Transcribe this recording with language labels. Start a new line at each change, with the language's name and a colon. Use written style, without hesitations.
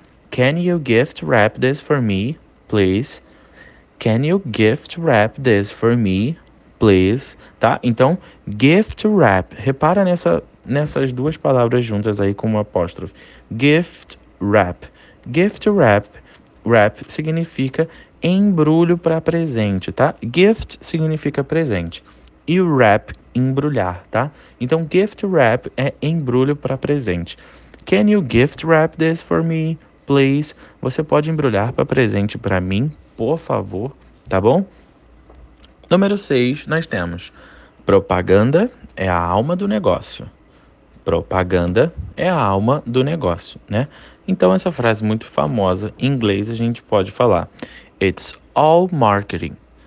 English: Can you gift wrap this for me, please? Can you gift wrap this for me, please?
Portuguese: Tá? Então, gift wrap. Repara nessas duas palavras juntas aí com uma apóstrofe. Gift wrap. Gift wrap. Wrap significa embrulho para presente, tá? Gift significa presente. E o wrap, embrulhar, tá? Então, gift wrap é embrulho para presente.
English: Can you gift wrap this for me, please?
Portuguese: Você pode embrulhar para presente para mim, por favor, tá bom? Número 6, nós temos: propaganda é a alma do negócio. Propaganda é a alma do negócio, né? Então, essa frase muito famosa em inglês a gente pode falar:
English: It's all marketing.